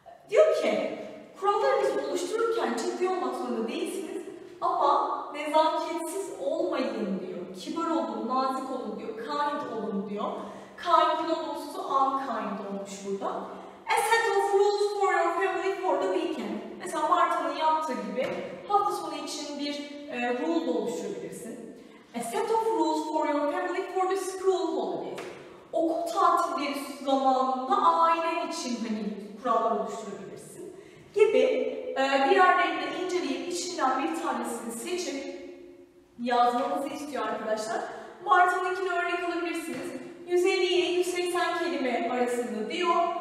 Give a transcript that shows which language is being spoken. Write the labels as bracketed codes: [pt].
[tr] Diyor ki, kurallarınızı oluştururken ciddi olmak zorunda değilsiniz ama nezaketsiz olmayın diyor. Kibar olun, nazik olun diyor, kind olun diyor. Kind olumsuz, unkind olmuş burada. [en] A set of rules for your family for the weekend. [tr] Mesela Martha'nın yaptığı gibi hafta sonu için bir rule oluşturabilirsin. [en] A set of rules for your family for the school holiday. [tr] Okul tatili zamanında ailen için hani kurallar oluşturabilirsin. Gibi diğerlerini inceleyip içinden bir tanesini seçip yazmanızı istiyor arkadaşlar. Martha'nınkini örnek alabilirsiniz. 150-180 kelime arasında diyor.